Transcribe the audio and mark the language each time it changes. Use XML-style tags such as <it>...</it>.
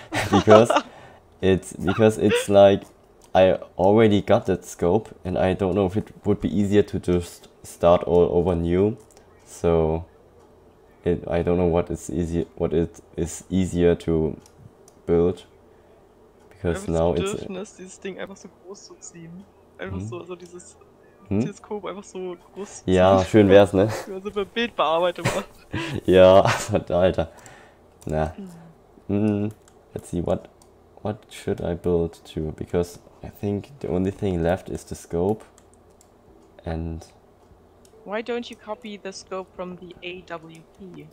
<en>because it's like I already got that scope, and I don't know if it would be easier to just start all over new. So, I don't know what is easier to build, because now it's.</en> <de>Ich habe das Bedürfnis, dieses Ding einfach so groß zu ziehen, dieses Teleskop einfach so groß. Ja, schön wär's, ne? Wenn man so für Bildbearbeitung macht. Ja, Alter.</de> <en>Na, let's see what should I build to? Because I think the only thing left is the scope, and. Why don't you copy the scope from the AWP?</en>